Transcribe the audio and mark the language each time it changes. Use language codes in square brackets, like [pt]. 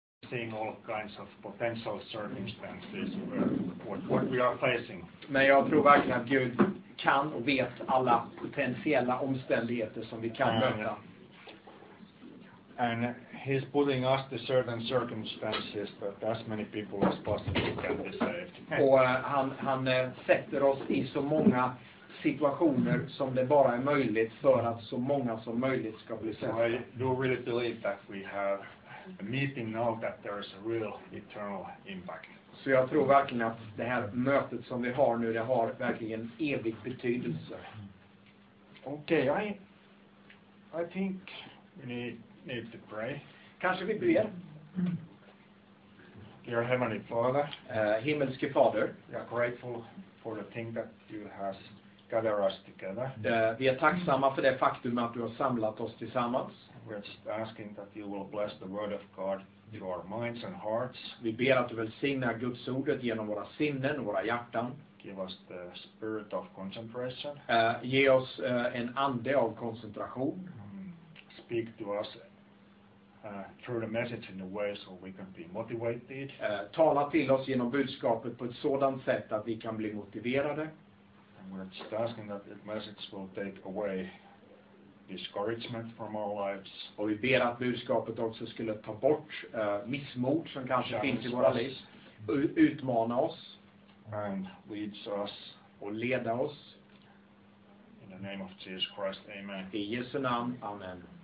[en] seeing all kinds of potential circumstances what we are facing. [sv] Men jag tror verkligen att Gud kan och vet alla potentiella omständigheter som vi kan möta. [en] And he's putting us to certain circumstances that as many people as possible can be saved. [sv] Och han sätter oss i så många situationer som det bara är möjligt för att så många som möjligt ska bli saved. [en] So I do really believe that we have a meeting now that there is a real eternal impact. [sv] Så jag tror verkligen att det här mötet som vi har nu, det har verkligen evig betydelse. [en] Okay, I think we need to pray. [sv] Kanske vi ber. [en] Dear Heavenly Father. [sv] Himmelske Fader. [en] We are grateful for the thing that you has gathered us together. [sv] Vi är tacksamma för det faktum att du har samlat oss tillsammans. [en] We're just asking that you will bless the word of God through our minds and hearts. [sv] Vi ber att du välsigna Guds ordet genom våra sinnen och våra hjärtan. [en] Give us the spirit of concentration. [sv] Ge oss en ande av koncentration. [en] Speak to us through the message in a way so we can be motivated. [sv] Tala till oss genom budskapet på ett sådant sätt att vi kan bli motiverade. [en] And we're just asking that the message will take away discouragement from our lives. [sv] Och vi ber att budskapet också skulle ta bort missmod som kanske challenge finns i våra liv. Utmana oss. [en] And lead us. [sv] Och leda oss. [en] In the name of Jesus Christ, amen. [sv] I Jesu namn, amen.